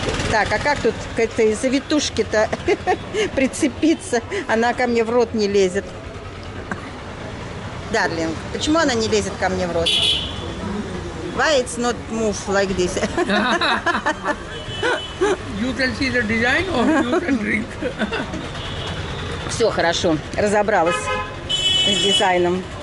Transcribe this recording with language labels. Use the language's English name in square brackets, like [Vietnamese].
[Russian] Так, а как тут к этой завитушке-то прицепиться? Она ко мне в рот не лезет. Дарлин, почему она не лезет ко мне в рот? [English] Why it's not move like this? You can see the design or you can drink. [Russian] Все хорошо, разобралась с дизайном.